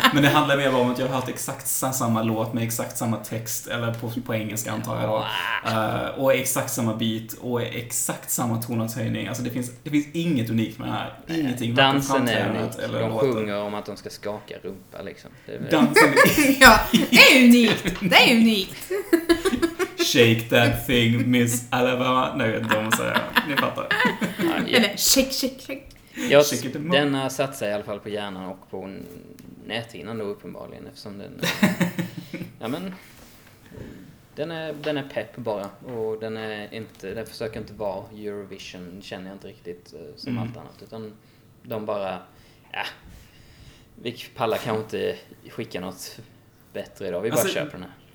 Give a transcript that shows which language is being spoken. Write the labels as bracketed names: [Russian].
[Swedish] Men det handlar mer om att jag har hört exakt samma låt med exakt samma text, eller på engelska antar jag då, och exakt samma beat och exakt samma tonartshöjning. Alltså det finns inget unikt med det här. Ingenting. Dansen är unikt. De sjunger om att de ska skaka rumpa liksom. Dansen är ja, det är unikt. Det är unikt. [English] Shake that thing, Miss Alabama. [Swedish] Nej, jag vet inte vad säger. Ni fattar. Eller shake. Jag denna satt sig i alla fall på hjärnan och på näthinnan då uppenbarligen, eftersom den är, ja men den är pepp bara, och den är inte, den försöker inte vara Eurovision, känner jag inte riktigt som allt annat, utan de bara vi pallar kan inte skicka något bättre idag, vi bara alltså, köper den här.